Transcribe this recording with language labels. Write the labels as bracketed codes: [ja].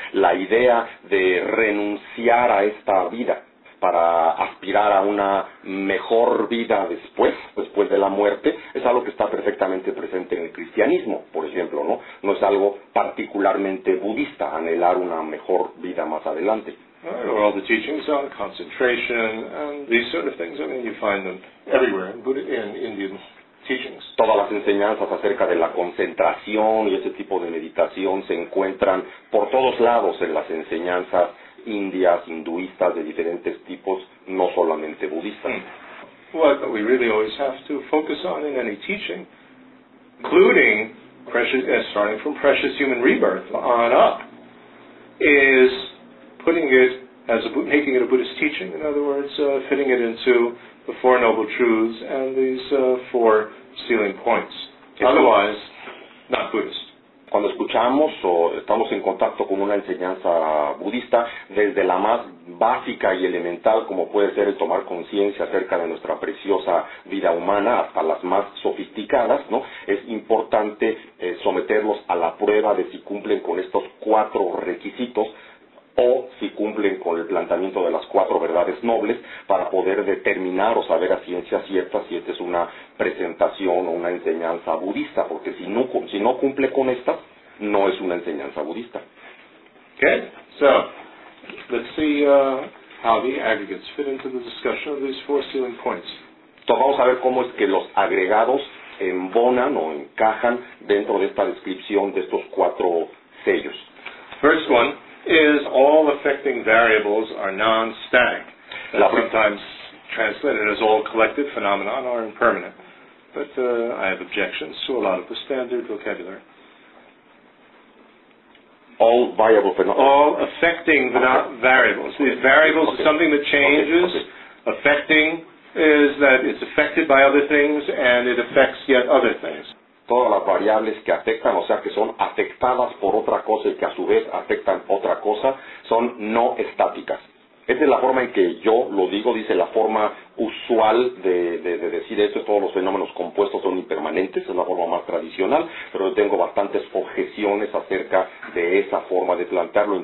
[es] La idea de renunciar a esta vida para aspirar a una mejor vida después de la muerte, es algo que está perfectamente presente en el cristianismo, por ejemplo, ¿no? No es algo particularmente budista, anhelar una mejor vida más adelante. [en] Right, all the teachings on concentration and these sort of things, I mean, you find them everywhere in Indian teachings. [es] Todas las enseñanzas acerca de la concentración y ese tipo de meditación se encuentran por todos lados en las enseñanzas indias, hinduistas de diferentes tipos, no solamente budistas. [en] What we really always have to focus on in any teaching, including starting from precious human rebirth on up, is putting it as making it a Buddhist teaching, in other words, fitting it into the Four Noble Truths and these four sealing points. Otherwise, not Buddhist. [es] Cuando escuchamos o estamos en contacto con una enseñanza budista, desde la más básica y elemental, como puede ser el tomar conciencia acerca de nuestra preciosa vida humana, hasta las más sofisticadas, ¿no? Es importante someterlos a la prueba de si cumplen con estos cuatro requisitos o si cumplen con el planteamiento de las cuatro verdades nobles para poder determinar o saber a ciencia cierta si esta es una presentación o una enseñanza budista, porque si no cumple con estas, no es una enseñanza budista. [en] Okay, so let's see how the aggregates fit into the discussion of these four sealing points. [es] Entonces vamos a ver cómo es que los agregados embonan o encajan dentro de esta descripción de estos cuatro sellos. [en] First one is all affecting variables are non-static. That's sometimes translated as all collective phenomena are impermanent. But I have objections to a lot of the standard vocabulary. All variable phenomena. All affecting variables. These variables are something that changes. Okay. Affecting is that it's affected by other things and it affects yet other things. [es] Todas las variables que afectan, o sea, que son afectadas por otra cosa y que a su vez afectan otra cosa, son no estáticas. Esta es la forma en que yo lo digo, dice la forma usual de decir esto, todos los fenómenos compuestos son impermanentes, es la forma más tradicional, pero yo tengo bastantes objeciones acerca de esa forma de plantearlo.